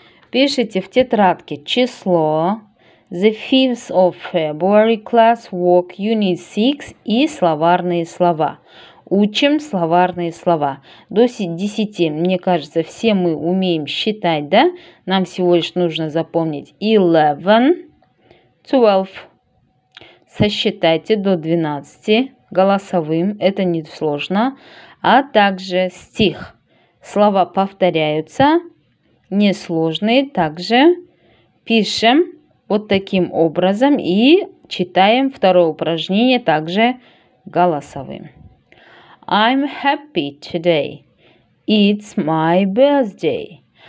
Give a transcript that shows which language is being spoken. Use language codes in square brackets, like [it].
[ru] Пишите в тетрадке число. [en] The 5th of February class work unit 6 [ru] и словарные слова. Учим словарные слова. До 10, мне кажется, все мы умеем считать, да? Нам всего лишь нужно запомнить 11, 12. Сосчитайте до 12 голосовым, это не сложно. А также стих. Слова повторяются, несложные, также пишем. Вот таким образом и читаем второе упражнение также голосовым. [en] I'm happy today. It's my birthday.